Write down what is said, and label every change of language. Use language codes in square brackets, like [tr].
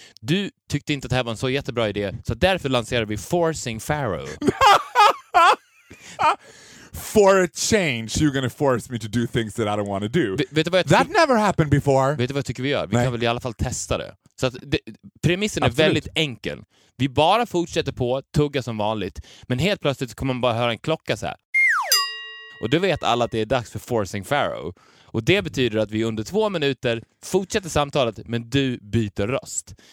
[sv] Du tyckte inte att det här var en så jättebra idé, så därför lanserade vi Forcing Pharaoh. [en] For a change, you're gonna force me to do things that I don't want to do. That never happened before. [sv] Vet du vad jag tycker vi gör? Vi kan väl i alla fall testa det. Så att premissen är väldigt enkel. Vi bara fortsätter på, tugga som vanligt, men helt plötsligt kommer man bara höra en klocka så här. Och du vet alla att det är dags för Forcing Pharaoh. Och det betyder att vi under två minuter fortsätter samtalet, men du byter röst.